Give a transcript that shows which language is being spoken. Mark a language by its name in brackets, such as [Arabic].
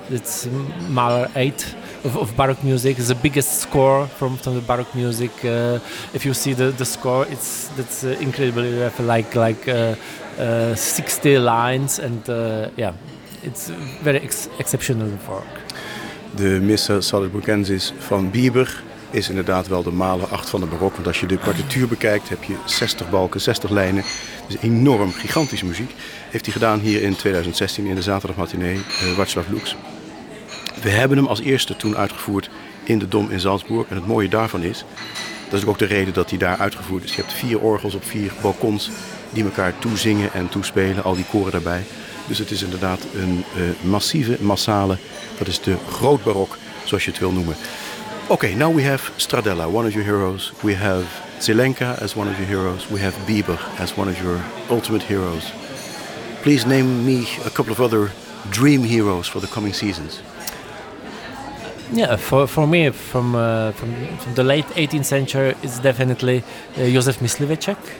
[English] It's Mahler 8 of Baroque music. It's the biggest score from the Baroque music. If you see the score, it's incredibly like 60 lines, and it's very exceptional work. [Dutch] De Missa Salzburgensis van Bieber is inderdaad wel de Mahler 8 van de barok. Want als je de partituur bekijkt, heb je 60 balken, 60 lijnen. Dus enorm, gigantische muziek. Heeft hij gedaan hier in 2016 in de zaterdagmatinee, Václav Loeks. We hebben hem als eerste toen uitgevoerd in de Dom in Salzburg. En het mooie daarvan is, dat is ook de reden dat hij daar uitgevoerd is. Je hebt vier orgels op vier balkons die elkaar toezingen en toespelen. Al die koren daarbij. Dus het is inderdaad een massieve, massale, dat is de groot barok, zoals je het wil noemen. [English] Okay, now we have Stradella, one of your heroes. We have Zelenka as one of your heroes. We have Bieber as one of your ultimate heroes. Please name me a couple of other dream heroes for the coming seasons. Yeah, for me, from the late 18th century, it's definitely Josef Myslivecek.